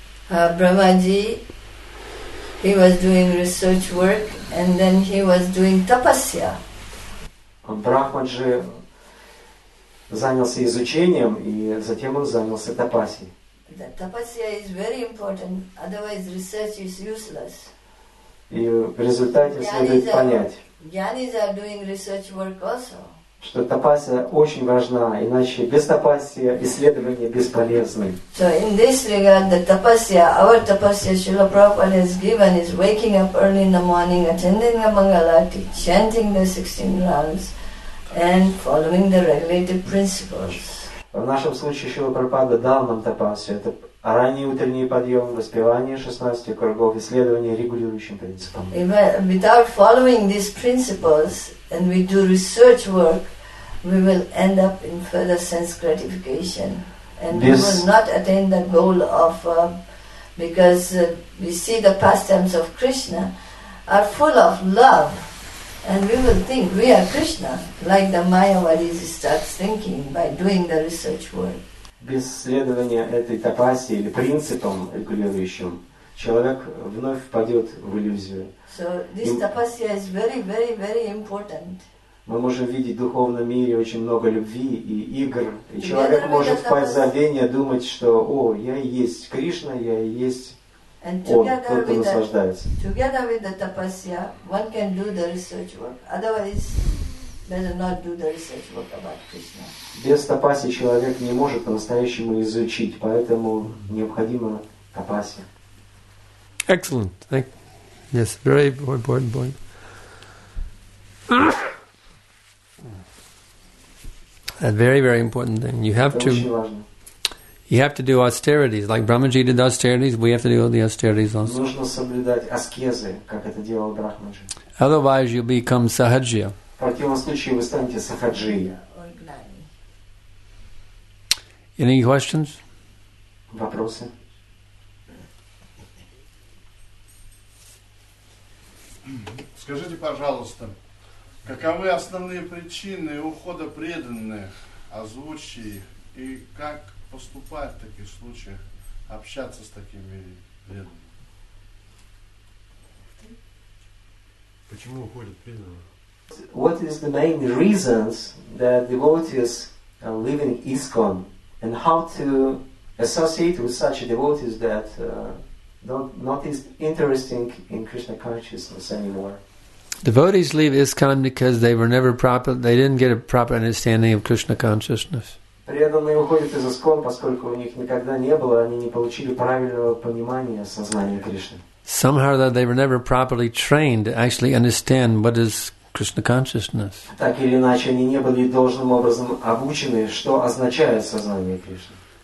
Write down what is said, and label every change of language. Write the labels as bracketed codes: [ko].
[en] Brahmaji, he was doing research work and then he was doing tapasya. [ru] Брахмаджи занялся изучением и затем он занялся тапасией. [en] That tapasya is very important, otherwise research is useless. [ru] И в результате следует понять, [en] Gyanis are doing research work also. [ru] Что тапасия очень важна, иначе без тапасия исследования бесполезны. [en] So in this regard, the tapasya, our tapasya, Srila Prabhupada has given is waking up early in the morning, attending the Mangalati, chanting the 16 rounds, and following the regulated principles. [ru] В нашем случае Шрила Прабхупада дал нам тапасию. Это ранний утренний подъем, воспевание 16 кругов, исследование регулирующим принципам. [en] Without following these principles, and we do research work, we will end up in further sense gratification. And we will not attain the goal of... Because we see the pastimes of Krishna are full of love. And we will think we are Krishna, like the Mayavadis starts thinking by doing the research work. [ru] Без следования этой тапасе или принципам регулирующим, человек вновь впадет в иллюзию. [en] So this tapasya is very, very, very important. [ru] Мы можем видеть в духовном мире очень много любви и игр. И человек может впасть в забвение, думать, что «О, я и есть Кришна, я и есть...» [en] Together with the tapasya, one can do the research work. Otherwise, better not do the research work about Krishna. [ru] Без тапасии человек не может по-настоящему изучить, поэтому необходимо тапасия. [en] Excellent. Thank you. Yes, very important point. A very, very important thing. You have to. You have to do austerities, like Brahmaji did the austerities. We have to do all the austerities also. [ru] Нужно соблюдать аскезы, как это делал Брахмаджи. [en] Otherwise, you become sahajya. [ru] В противном случае вы станете сахаджия. [en] Any questions? [ru] Вопросы. Скажите, пожалуйста, каковы основные причины ухода преданных, озвучий, и как поступать в таких случаях, общаться с такими преданными? Почему уходят преданные? [en] What is the main reasons that devotees are leaving ISKCON? And how to associate with such devotees that not is interesting in Krishna consciousness anymore? Devotees leave ISKCON because they were never proper. They didn't get a proper understanding of Krishna consciousness. [ru] Преданные уходят из ISKCON, поскольку у них никогда не было, они не получили правильного понимания сознания Кришны. [en] Somehow that they were never properly trained to actually understand what is Krishna consciousness. [ru] Так или иначе, они не были должным образом обучены, что означает сознание Кришны.